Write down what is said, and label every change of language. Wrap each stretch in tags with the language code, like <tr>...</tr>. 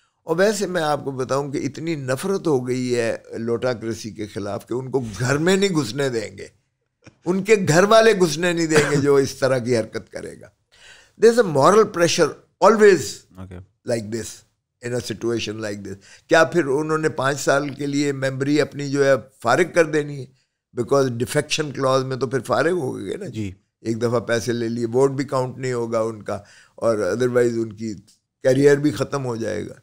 <ur>اور ویسے میں آپ کو بتاؤں کہ اتنی نفرت ہو گئی ہے لوٹاکریسی کے خلاف کہ ان کو گھر میں نہیں گھسنے دیں گے، ان کے گھر والے گھسنے نہیں دیں گے جو اس طرح کی حرکت کرے گا.</ur> <en>There is a moral pressure always like this in a situation like this.</en> <ur>کیا پھر انہوں نے 5 سال کے لیے ممبری اپنی جو ہے فارغ کر دینی ہے؟ بیکاز ڈیفیکشن کلاز میں تو پھر فارغ ہو گئے نا جی، ایک دفعہ پیسے لے لیے، ووٹ بھی کاؤنٹ نہیں ہوگا ان کا، اور</ur> <en>otherwise</en> <ur>ان کی کیریئر بھی ختم ہو جائے گا.</ur>